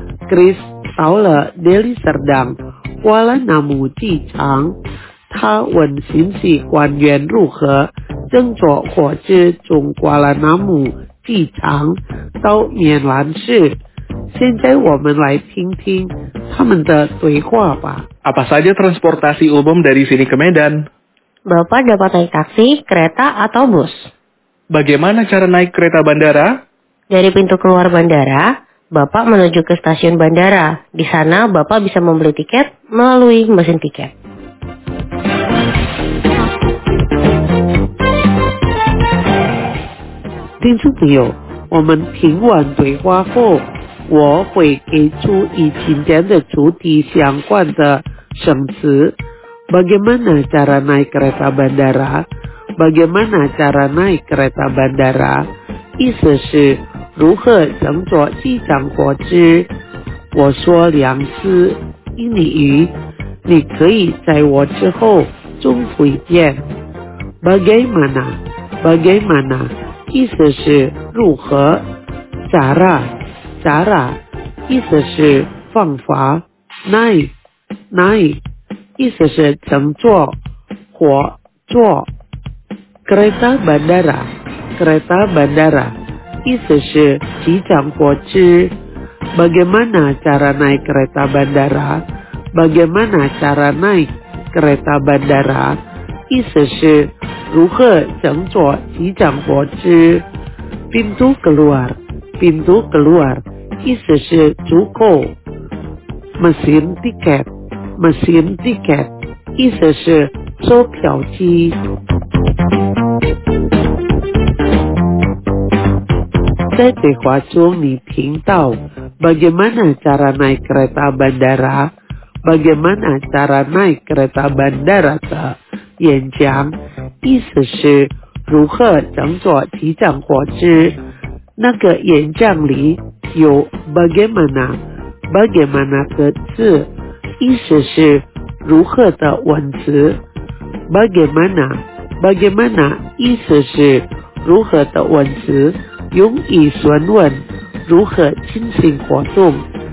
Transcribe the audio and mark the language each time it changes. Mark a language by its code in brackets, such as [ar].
[zh] Chris 到了 Deli Serdang Kuala Namu 机场，他问信息官员如何乘坐火车从瓜拉纳姆机场到棉兰市。现在我们来听听他们的对话吧。 [id] Apa saja transportasi umum dari sini ke Medan? Bapak dapat naik taksi, kereta, atau bus. Bagaimana cara naik kereta bandara? Dari pintu keluar bandara, Bapak menuju ke stasiun bandara. Di sana Bapak bisa membeli tiket melalui mesin tiket. Tinjupio, [zh] 我们听完对话后，我会给出与今天的主题相关的生词。 [id] Bagaimana cara naik kereta bandara? Bagaimana cara naik kereta bandara? [zh] 意思是如何乘坐机场火车？我说两次印尼语，你可以在我之后重复一遍。 [id] Bagaimana? Bagaimana? [zh] 意思是如何 [id] cara cara [zh] 意思是方法 [id] naik naik [zh] 意思是乘坐火坐 [id] kereta bandara kereta bandara [zh] 意思是机场火车 [id] bagaimana cara naik kereta bandara bagaimana cara naik kereta bandara [zh] 意思是如何乘坐机场火车？ [id] pintu keluar, pintu keluar, pintu keluar [zh] 意思是出口。 [id] mesin tiket, mesin tiket [zh] 意思是售票机。在对话中你听到 [id] bagaimana cara naik kereta bandara, [zh] bagaimana cara naik kereta bandara 的演讲。意思是如何乘坐机场火车？那个演讲里有 [id] bagaimana bagaimana [zh] 的字，意思是如何的文字。 [id] bagaimana bagaimana [zh] 意思是如何的文字，用以询问如何进行活动。